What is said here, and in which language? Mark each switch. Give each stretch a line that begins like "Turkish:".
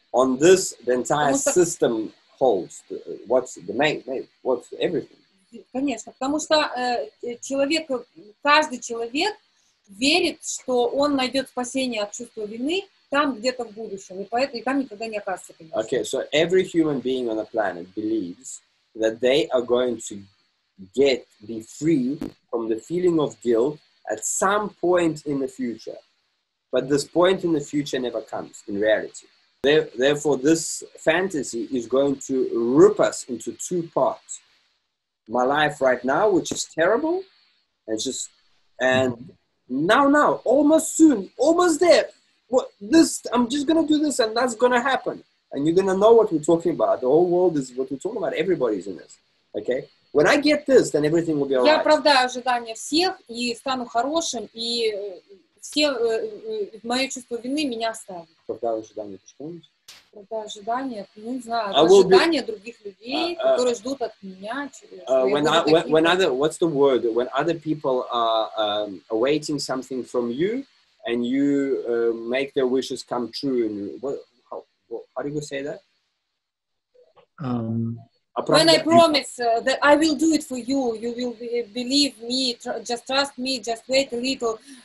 English: On this, the entire system holds what's the main what's everything.
Russian: Конечно, потому что человек, каждый человек верит, что он найдет спасение от чувства вины там где-то в будущем, и поэтому и там никогда не окажется. Конечно.
English: Okay, so every human being on the planet believes that they are going to get be free from the feeling of guilt at some point in the future, but this point in the future never comes in reality. Therefore, this fantasy is going to rip us into two parts. My life right now, which is terrible, and just, and now, almost soon, almost there. What, this, I'm just going to do this and that's going to happen. And you're going to know what we're talking about. The whole world is what we're talking about. Everybody's in this. Okay? When I get this, then everything will be all right.
Russian: Я оправдаю ожидания всех и стану хорошим, и все мое чувство вины меня ставит. Когда ожидание, ты что помнишь? Когда ожидание, ну не знаю, ожидание других людей, которые ждут от меня.
English: When other, what's the word? When other people are awaiting something from you, and you make their wishes come true, and how do you say that? When I promise that I will do it for you, you will believe me, just trust me, just wait a little.